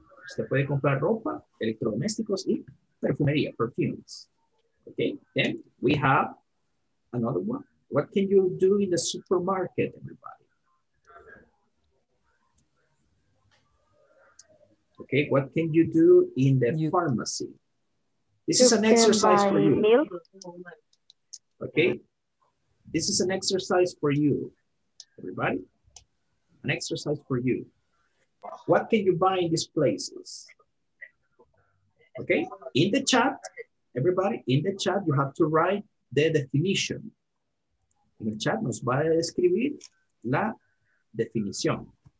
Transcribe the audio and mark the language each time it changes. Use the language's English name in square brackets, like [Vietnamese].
[Spanish] Usted puede comprar ropa, electrodomésticos, y perfumería, perfumes. [English] Okay, then we have another one. What can you do in the supermarket, everybody? Okay, what can you do in the pharmacy? This is an exercise for you. Okay, this is an exercise for you, everybody. An exercise for you. What can you buy in these places? Okay, in the chat, everybody, in the chat, you have to write the definition. [Spanish] En el chat nos va a escribir la definición.